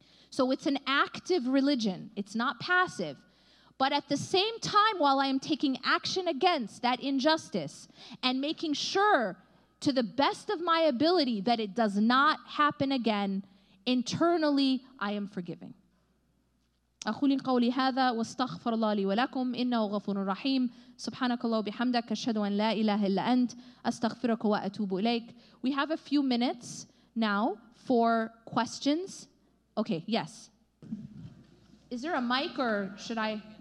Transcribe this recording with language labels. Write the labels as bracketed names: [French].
[English] So it's an active religion. It's not passive. But at the same time, while I am taking action against that injustice and making sure to the best of my ability that it does not happen again, internally I am forgiving. [Arabic] أقول قولي هذا واستغفر الله لي ولكم إنه غفور رحيم سبحانك الله وبحمدك أشهد أن لا إله إلا أنت أستغفرك وأتوب إليك. [English] We have a few minutes now for questions. Okay, yes. Is there a mic or should I?